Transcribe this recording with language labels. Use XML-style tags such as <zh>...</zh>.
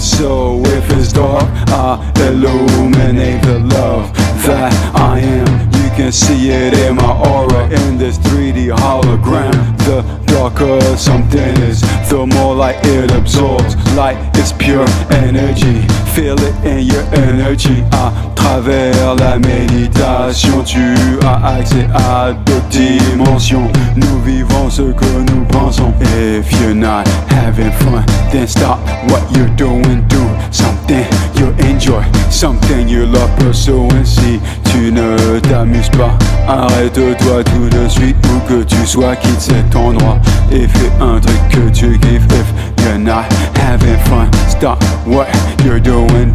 <en>So if it's dark, I illuminate the love that I am. You can see it in my aura, in this 3D hologram. The darker something is, the more light it absorbs. Light is pure energy. Feel it in your energy.</en> <fr>À travers la méditation, tu as accès à d'autres dimensions. Nous vivons ce que nous pensons.</fr> <en>If you're not having fun, then stop what you're doing. Do something you enjoy, something you love. Pursue and see,</en> <fr>tu ne t'amuses pas. Arrête-toi tout de suite, où que tu sois. Quitte cet endroit et fais un truc que tu kiffes.</fr> <en>If you're not having fun, stop what you're doing.</en>